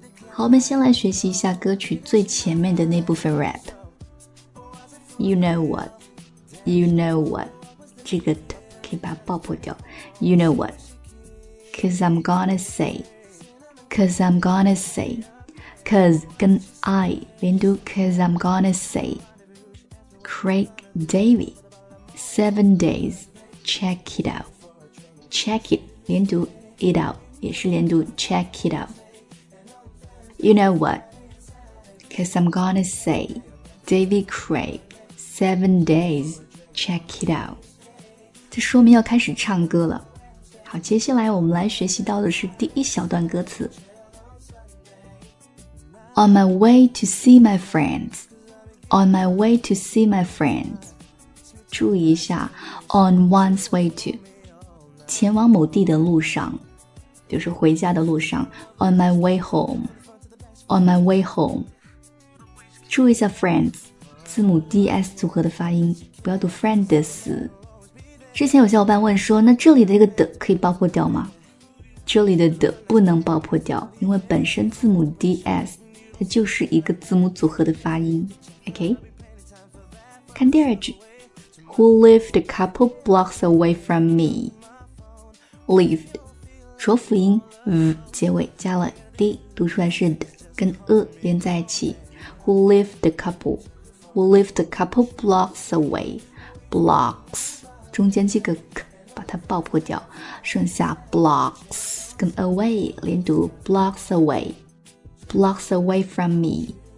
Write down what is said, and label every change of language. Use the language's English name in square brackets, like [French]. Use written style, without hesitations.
[Chinese] 好，我们先来学习一下歌曲最前面的那部分 rap。 [English] You know what, you know what, [Chinese] 这个 t 可以把它爆破掉。 [English] You know what, cause I'm gonna say, cause I'm gonna say, cause [Chinese] 跟 I 连读 [English] cause I'm gonna say, Craig David, Seven Days, check it out, check it, 连读 it out, 也是连读 check it out. You know what? Cause I'm gonna say, David Craig, Seven Days, check it out. [Chinese] 这说明要开始唱歌了。好，接下来我们来学习到的是第一小段歌词。 [English] On my way to see my friends, on my way to see my friends. [Chinese] 注意一下 , [English] on one's way to, [Chinese] 前往某地的路上，就是回家的路上 , [English] on my way home. On my way home. [Chinese] 注意一下 friends, 字母 DS 组合的发音，不要读 friends. 之前有小伙伴问说，那这里的一个的可以爆破掉吗？这里的的不能爆破掉，因为本身字母 DS 它就是一个字母组合的发音。 OK? 看第二句。 [English] Who lived a couple blocks away from me? [Chinese] Lived, 浊辅音 v 结尾加了 d, 读出来是 d. 跟 a 连在一起 ， [English] Who lived a couple? Who lived a couple blocks away? Blocks [Chinese] 中间这个 k 把它爆破掉，剩下 [English] blocks 跟 away 连读 blocks away, blocks away from me.